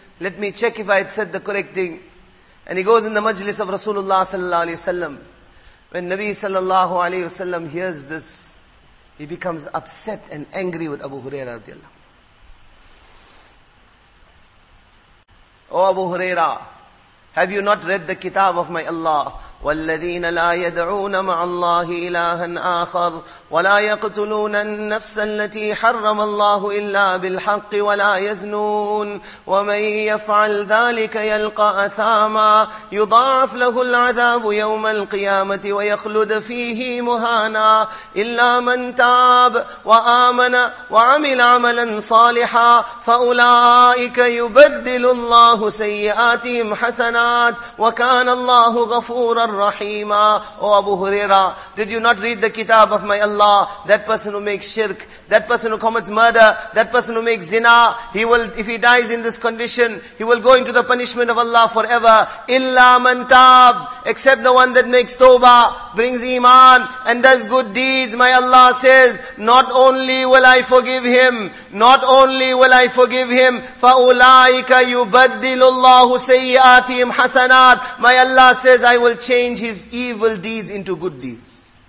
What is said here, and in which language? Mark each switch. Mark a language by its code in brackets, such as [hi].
[en] Let me check if I had said the correct thing. And he goes in the majlis of Rasulullah sallallahu alaihi wasallam. When Nabi sallallahu alaihi wasallam hears this, he becomes upset and angry with Abu Huraira radiallahu. Oh Abu Huraira, have you not read the kitab of my Allah? [ar] وَالَّذِينَ لَا يَدْعُونَ مَعَ اللَّهِ إِلَٰهًا آخَرٌ وَلَا يَقْتُلُونَ النَّفْسَ الَّتِي حَرَّمَ اللَّهُ إِلَّا بِالْحَقِّ وَلَا يَزْنُونَ وَمَنْ يَفْعَلْ ذَلِكَ يَلْقَ أَثَامًا يُضَاعَفْ لَهُ الْعَذَابُ يَوْمَ الْقِيَامَةِ وَيَخْلُدْ فِيهِ مُهَانًا إِلَّا مَنْ تَابَ وَآمَنَ وَعَمِلَ عَمَلًا صَالِحًا فَأُولَٰئِكَ يُبَدِّلُ اللَّهُ سَيِّئَاتِهِمْ حَسَنَاتٍ وَكَانَ اللَّهُ غَفُورًا [en] Rahima, O Abu Huraira, did you not read the kitab of my Allah? That person who makes shirk, that person who commits murder, that person who makes zina, he will, if he dies in this condition, he will go into the punishment of Allah forever. Illa man tab, except the one that makes tawbah, brings iman, and does good deeds, my Allah says, not only will I forgive him, not only will I forgive him, [ar] فَأُولَٰئِكَ يُبَدِّلُ اللَّهُ سَيِّئَاتِهِمْ حَسَنَاتِ [en] My Allah says, I will change his evil deeds into good deeds.